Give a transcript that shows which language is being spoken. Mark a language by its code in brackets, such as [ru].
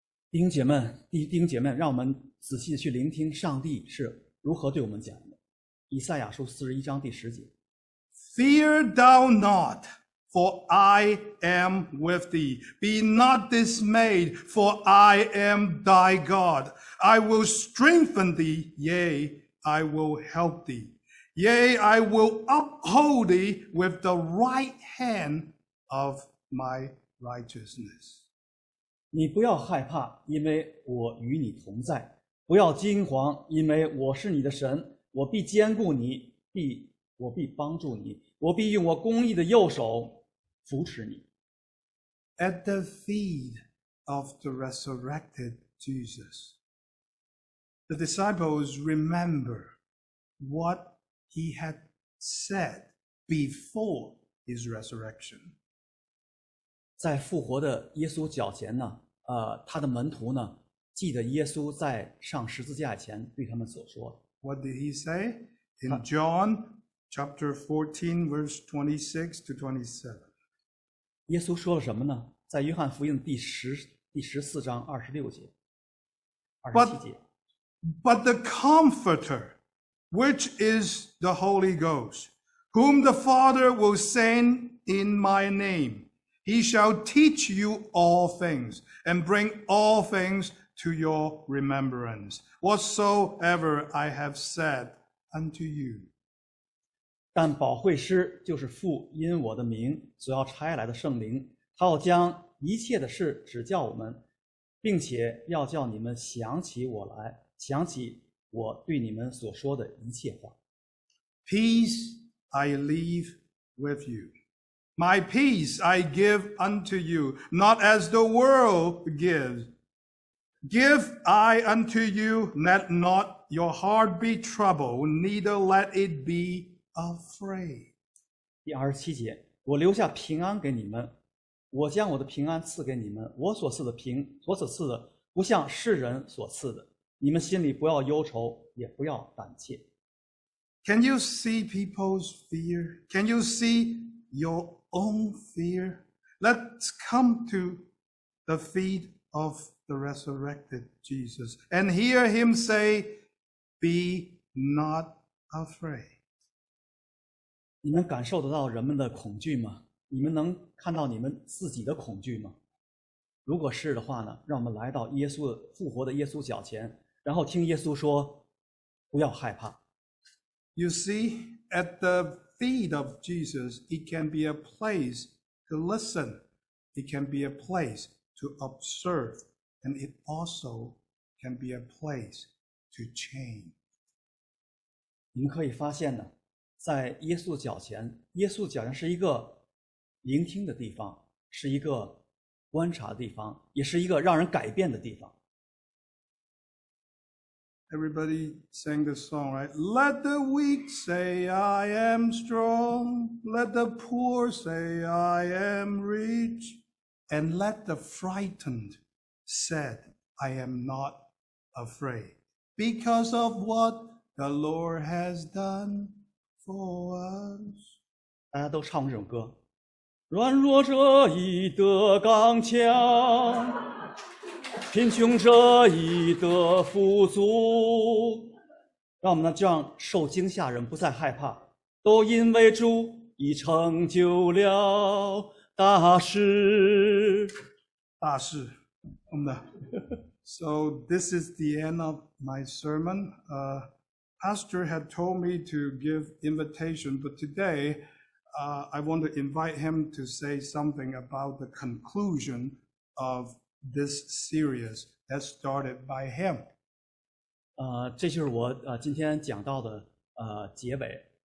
[zh] 弟兄姐妹，让我们仔细去聆听上帝是如何对我们讲的。以赛亚书41:10。 [en] Fear thou not, for I am with thee. Be not dismayed, for I am thy God. I will strengthen thee, yea, I will help thee. Yea, I will uphold thee with the right hand of my righteousness. [zh] 你不要害怕，因为我与你同在。不要惊慌，因为我是你的神。我必坚固你，我必帮助你，我必用我公义的右手扶持你。 [en] At the feet of the resurrected Jesus, the disciples remember what he had said before his resurrection. [zh] 在复活的耶稣脚前呢，他的门徒呢，记得耶稣在上十字架前对他们所说。 [en] What did he say in John chapter 14, verse 26 to 27? [zh] 耶稣说了什么呢？在约翰福音第十四章二十六节。 [en] But the Comforter, which is the Holy Ghost, whom the Father will send in my name, he shall teach you all things and bring all things to your remembrance, whatsoever I have said unto you. [zh] 但保惠师就是父因我的名所要差来的圣灵，他要将一切的事指教我们，并且要叫你们想起我来，想起我对你们所说的一切话。 [en] Peace I leave with you. My peace I give unto you, not as the world gives. Give I unto you, let not your heart be troubled, neither let it be afraid. [zh] 第二十七节，我留下平安给你们。我将我的平安赐给你们，我所赐的平，我所赐的不像世人所赐的。你们心里不要忧愁，也不要胆怯。 [en] Can you see people's fear? Can you see your own fear? Let's come to the feet of the resurrected Jesus and hear him say, "Be not afraid." [zh] 你们感受得到人们的恐惧吗？你们能看到你们自己的恐惧吗？如果是的话呢，让我们来到耶稣复活的耶稣脚前，然后听耶稣说不要害怕。 [en] You see, at the feet of Jesus, it can be a place to listen, it can be a place to observe, and it also can be a place to change. [zh] 你们可以发现呢，在耶稣脚前，耶稣脚前是一个聆听的地方，是一个观察的地方，也是一个让人改变的地方。 [en] Everybody sang the song, right? Let the weak say I am strong, let the poor say I am rich, and let the frightened said I am not afraid because of what the Lord has done for us. [zh] 大家都唱过这首歌。软弱者已得刚强，贫穷者已得富足，让我们呢就让受惊吓人不再害怕，都因为主已成就了大事。大事，我们的。 [en] So this is the end of my sermon. Pastor had told me to give invitation, but today,I want to invite him to say something about the conclusion of this series that started by him. [zh] 这就是我今天讲到的结尾。